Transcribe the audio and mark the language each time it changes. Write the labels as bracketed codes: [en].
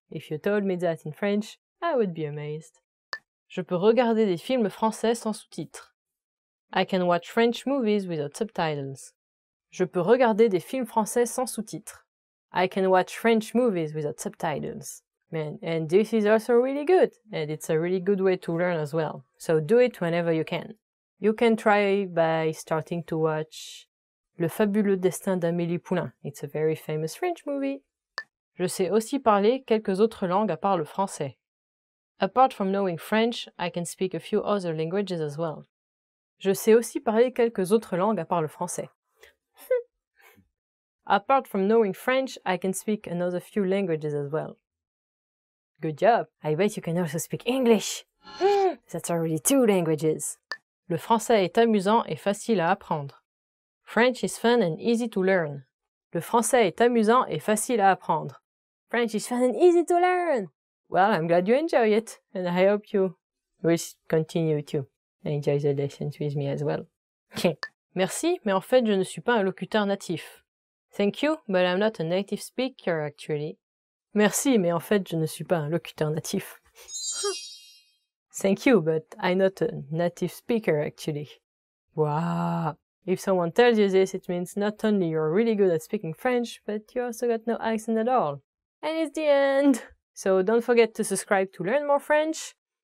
[en] If you told me that in French, I would be amazed. [fr] Je peux regarder des films français sans sous-titres. [en] I can watch French movies without subtitles. [fr] Je peux regarder des films français sans sous-titres. [en] I can watch French movies without subtitles. Man, and this is also really good, and it's a really good way to learn as well. So do it whenever you can. You can try by starting to watch [fr] Le fabuleux destin d'Amélie Poulain. [en] It's a very famous French movie. [fr] Je sais aussi parler quelques autres langues à part le français. [en] Apart from knowing French, I can speak a few other languages as well. [fr] Je sais aussi parler quelques autres langues à part le français. [en] Apart from knowing French, I can speak another few languages as well. Good job! I bet you can also speak English! That's already 2 languages! [fr] Le français est amusant et facile à apprendre. [en] French is fun and easy to learn. [fr] Le français est amusant et facile à apprendre. [en] French is fun and easy to learn! Well, I'm glad you enjoy it, and I hope you will continue to enjoy the lessons with me as well. [fr] Merci, mais en fait, je ne suis pas un locuteur natif. [en] Thank you, but I'm not a native speaker, actually. [fr] Merci, mais en fait, je ne suis pas un locuteur natif. [en] Thank you, but I'm not a native speaker, actually. Wow. If someone tells you this, it means not only you're really good at speaking French, but you also got no accent at all. And it's the end! So don't forget to subscribe to learn more French.